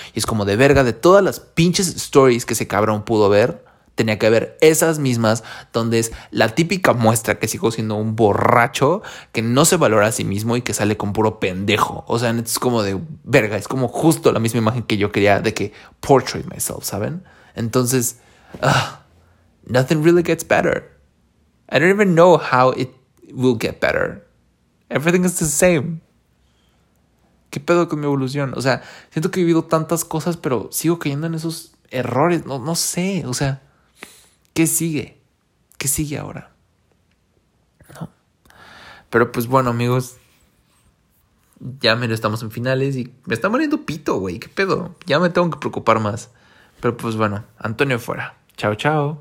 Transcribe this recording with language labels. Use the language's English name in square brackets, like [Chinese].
[Spanish] Y es como de verga, de todas las pinches stories que ese cabrón pudo ver, tenía que ver esas mismas donde es la típica muestra que sigo siendo un borracho que no se valora a sí mismo y que sale con puro pendejo. O sea, es como de verga, es como justo la misma imagen que yo quería de que [English] portray myself, [Spanish] ¿saben? [English] Entonces, nothing really gets better. I don't even know how it will get better. Everything is the same. [Spanish] ¿Qué pedo con mi evolución? O sea, siento que he vivido tantas cosas, pero sigo cayendo en esos errores. No sé, o sea, ¿qué sigue? ¿Qué sigue ahora? No. Pero pues bueno, amigos, ya mero estamos en finales y me está muriendo pito, güey. ¿Qué pedo? Ya me tengo que preocupar más. Pero pues bueno, Antonio fuera. Chao, chao.